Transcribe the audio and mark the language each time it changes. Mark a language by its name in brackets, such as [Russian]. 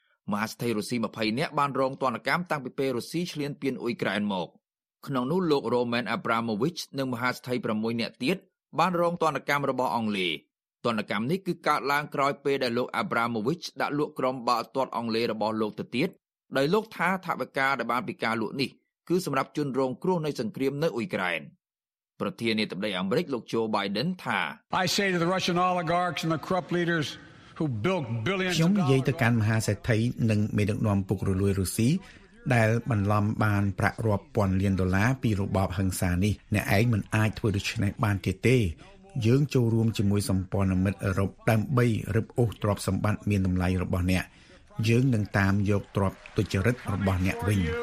[Khmer] មហាសេដ្ឋីរុស្ស៊ី20អ្នកបានរងទណ្ឌកម្មតាំងពីពេលរុស្ស៊ីឈ្លានពានអ៊ុយក្រែនមកក្នុងនោះលោក Roman Abramovich និងមហាសេដ្ឋី6នាក់ទៀតបានរងទណ្ឌកម្មរបស់អង់គ្លេសទណ្ឌកម្មនេះគឺកើតឡើងក្រោយពេលដែលលោក Abramovich ដាក់លក់ក្រុមបាល់ទាត់អង់គ្លេសរបស់លោកទៅទៀតដោយលោកថាថវិកាដែលបានពីការលក់នេះគឺសម្រាប់ជនរងគ្រោះនៃសង្គ្រាមនៅអ៊ុយក្រែនប្រធានាធិបតីអាមេរិកលោក Joe Biden ថា [English] I say to the Russian oligarchs and the corrupt leaders who built billions [Khmer] ខ្ញុំនិយាយទៅកាន់មហាសេដ្ឋីនិងមេដឹកនាំពុករលួយរុស្ស៊ីដែលបានឡំបានប្រាក់រាប់ពាន់លានដុល្លារពីរបបហឹង្សានេះអ្នកឯងមិនអាចធ្វើដូច្នេះបានទៀតទេយើងចូលរួមជាមួយសម្ព័ន្ធមិត្តអឺរ៉ុបដើម្បីរឹបអូសទ្រព្យសម្បត្តិមានតម្លៃរបស់អ្នកយើងនឹងតាមយកទ្រព្យទុច្ចរិតរបស់អ្នកវិញ